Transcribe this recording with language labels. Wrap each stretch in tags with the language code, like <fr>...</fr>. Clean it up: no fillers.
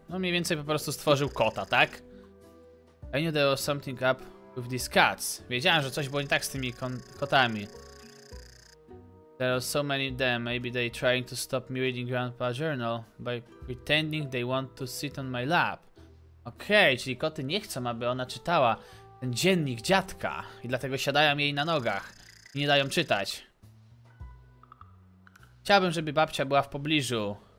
<pl>No mniej więcej po prostu stworzył kota, tak?</pl> <en>I knew there was something up with these cats.</en> <pl>Wiedziałem, że coś było nie tak z tymi kotami.</pl> <en>There are so many of them. Maybe they trying to stop me reading Grandpa's journal by pretending they want to sit on my lap.</en> <pl>Okej, czyli koty nie chcą, aby ona czytała ten dziennik dziadka i dlatego siadają jej na nogach i nie dają czytać. Chciałbym, żeby babcia była w pobliżu.</pl>